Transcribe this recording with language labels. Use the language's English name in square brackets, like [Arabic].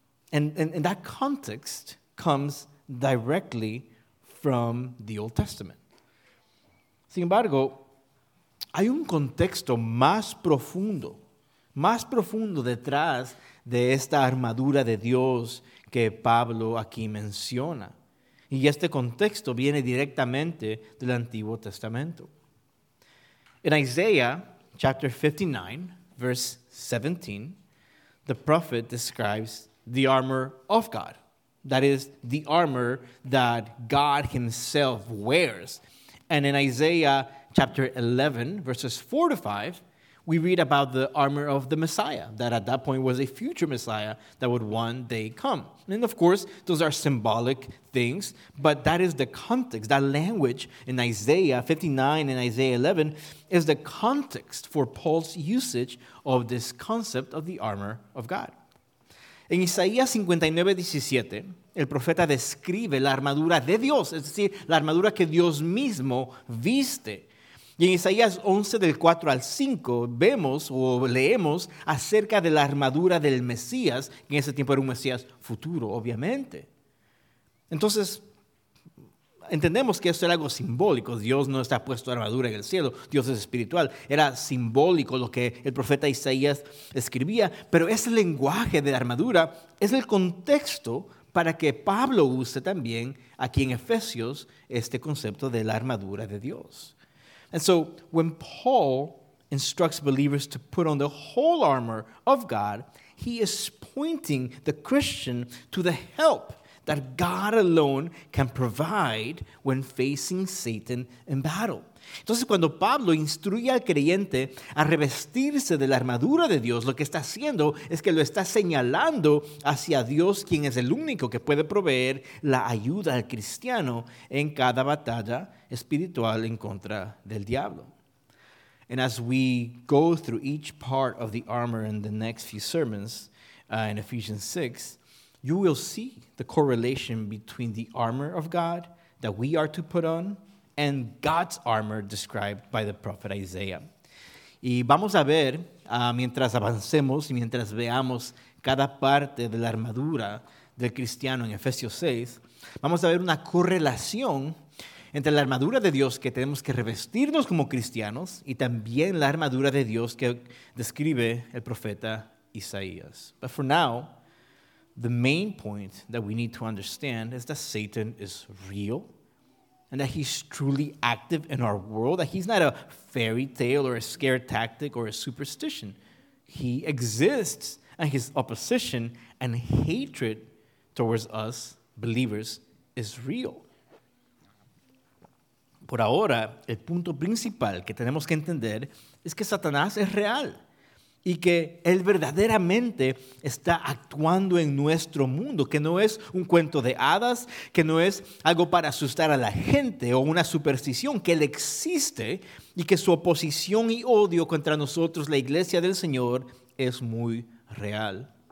[English] And that context comes directly from the Old Testament. [Spanish] Sin embargo, hay un contexto más profundo detrás de esta armadura de Dios que Pablo aquí menciona. Y este contexto viene directamente del Antiguo Testamento. [English] In Isaiah chapter 59, verse 17, the prophet describes the armor of God. That is, the armor that God himself wears. And in Isaiah chapter 11, verses 4 to 5, we read about the armor of the Messiah, that at that point was a future Messiah that would one day come. And of course, those are symbolic things, but that is the context. That language in Isaiah 59 and Isaiah 11 is the context for Paul's usage of this concept of the armor of God. [Spanish] En Isaías 59, 17, el profeta describe la armadura de Dios, es decir, la armadura que Dios mismo viste. Y en Isaías 11, del 4 al 5, vemos o leemos acerca de la armadura del Mesías, que en ese tiempo era un Mesías futuro, obviamente. Entonces, entendemos que esto era algo simbólico. Dios no está puesto armadura en el cielo, Dios es espiritual. Era simbólico lo que el profeta Isaías escribía, pero ese lenguaje de la armadura es el contexto para que Pablo use también aquí en Efesios este concepto de la armadura de Dios. [English] And so, when Paul instructs believers to put on the whole armor of God, he is pointing the Christian to the help that God alone can provide when facing Satan in battle. [Spanish] Entonces, cuando Pablo instruye al creyente a revestirse de la armadura de Dios, lo que está haciendo es que lo está señalando hacia Dios, quien es el único que puede proveer la ayuda al cristiano en cada batalla espiritual en contra del diablo. [English] And as we go through each part of the armor in the next few sermons in Ephesians 6, you will see the correlation between the armor of God that we are to put on and God's armor described by the prophet Isaiah. [Spanish] Y vamos a ver, mientras avancemos y mientras veamos cada parte de la armadura del cristiano en Efesios 6, vamos a ver una correlación entre la armadura de Dios que tenemos que revestirnos como cristianos y también la armadura de Dios que describe el profeta Isaías. [English] But for now, the main point that we need to understand is that Satan is real and that he's truly active in our world, that he's not a fairy tale or a scare tactic or a superstition. He exists, and his opposition and hatred towards us believers is real. [Spanish] Por ahora, el punto principal que tenemos que entender es que Satanás es real y que él verdaderamente está actuando en nuestro mundo, que no es un cuento de hadas, que no es algo para asustar a la gente o una superstición, que él existe y que su oposición y odio contra nosotros, la iglesia del Señor, es muy real.